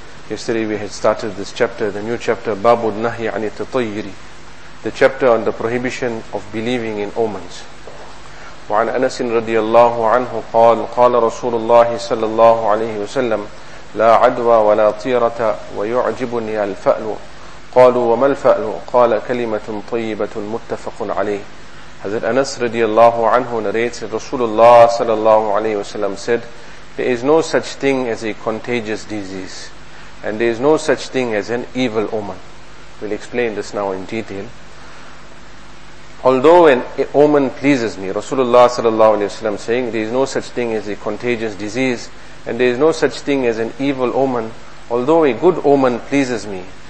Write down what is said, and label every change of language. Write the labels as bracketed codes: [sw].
[en] Yesterday we had started this chapter, the new chapter, [ar] باب النهي عن التطير, [en] the chapter on the prohibition of believing in omens. [ar] وعن أنس رضي الله عنه قال قال رسول الله صلى الله عليه وسلم لا عدوى ولا طيرة ويعجبني الفأل. قالوا وما الفأل؟ قال كلمة طيبة متفق عليه. [en] Hazrat Anas radiallahu anhu narrates that Rasulullah sallallahu alayhi wa sallam said, there is no such thing as a contagious disease, and there is no such thing as an evil omen. We'll explain this now in detail. Although an omen pleases me, Rasulullah sallallahu alayhi wa sallam saying, there is no such thing as a contagious disease, and there is no such thing as an evil omen, although a good omen pleases me.